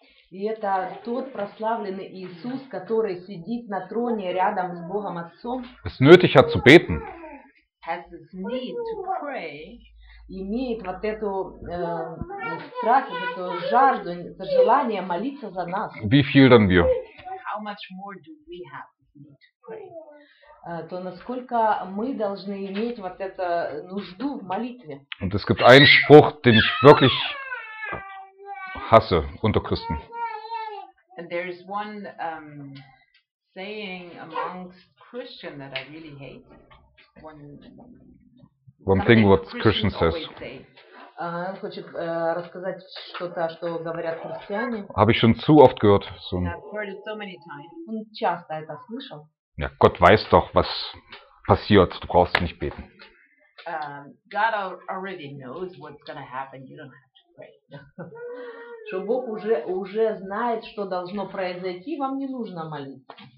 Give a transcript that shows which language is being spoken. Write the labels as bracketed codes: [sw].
[ru] И это тот прославленный Иисус, который сидит на троне рядом с Богом Отцом. [de] Es nötig hat zu beten. [en] Has this need to pray? [ru] Имеет вот эту страх, эту жажду, это желание молиться за нас. [de] Wie viel denn wir? [en] How much more do we have to need to pray? [ru] То насколько мы должны иметь вот эту нужду в молитве? [de] Und es gibt einen Spruch, den ich wirklich hasse unter Christen. [en] And there is one saying amongst Christians that I really hate. One thing what Christian says. [ru] Хочет рассказать что-то, что говорят христиане. [de] Habe ich schon zu oft gehört. [en] I've heard it so many times. [ru] Он часто это слышал. [de] Ja, Gott weiß doch, was passiert, du brauchst nicht beten. [en] God already knows what's gonna happen, you don't have to pray. [ru] Что Бог уже знает, что должно произойти, вам не нужно молиться.